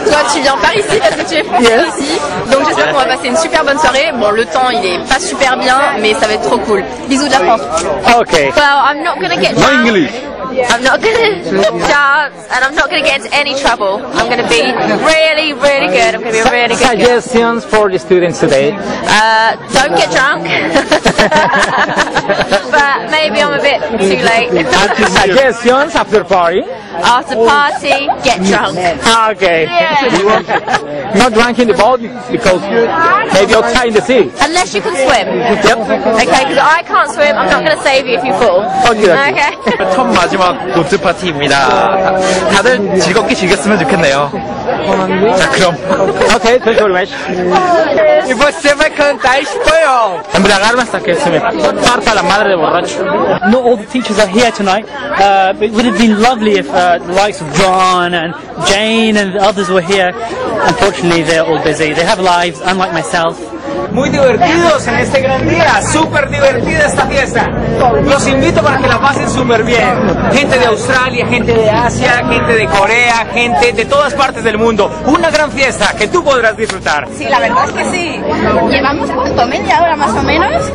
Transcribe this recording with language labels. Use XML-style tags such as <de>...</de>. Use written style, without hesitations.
<fr>Toi tu viens par ici parce que tu es français ici. Donc j'espère qu'on va passer une super bonne soirée. Bon le temps il est pas super bien, mais ça va être trop cool. Bisous de la France.</fr> <en>Okay. Well I'm not gonna get my English. I'm not gonna dance, and I'm not gonna get into any trouble. I'm gonna be really, really good. I'm gonna be really good. Suggestions for the students today? Don't get drunk. But maybe I'm a bit too late. Suggestions after party? After party, get drunk. Okay. Yeah. Not drunk in the boat because maybe you're trying to see. Unless you can swim. Yep. Okay, because I can't swim. I'm not gonna save you if you fall. Okay. Okay.</en> <ko>마지막 보트 파티입니다. 다들 즐겁게 즐겼으면 좋겠네요. 자 그럼.</ko> <en>Okay, thank you very much.</en> <pt>Y você vai cantar espanhol.</pt> <es>Embriagarme hasta que se me parta la madre de borracho.</es> <en>Not all the teachers are here tonight. It would have been lovely if the likes of John and Jane and others were here. Unfortunately, they're all busy. They have lives, unlike myself.</en> <es>muy divertidos en este gran día, súper divertida esta fiesta. Los invito para que la pasen súper bien. Gente de Australia, gente de Asia, gente de Corea, gente de todas partes del mundo. Una gran fiesta que tú podrás disfrutar. Sí, la verdad es que sí. Llevamos cuánto, media hora más o menos.</es>